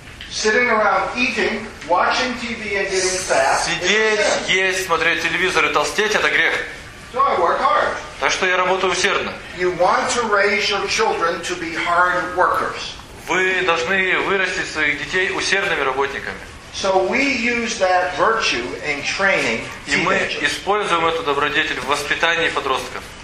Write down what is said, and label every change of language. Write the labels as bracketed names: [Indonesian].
[English] Sitting around eating, watching TV and getting fat. [Russian] Сидеть, есть, смотреть телевизор и толстеть – это грех. [English] So I work hard. [Russian] Так что я работаю усердно. [English] You want to raise your children to be hard workers. [Russian] Вы должны вырастить своих детей усердными работниками. [English] So we use that virtue in training teenagers. [Russian] И мы используем эту добродетель в воспитании подростков.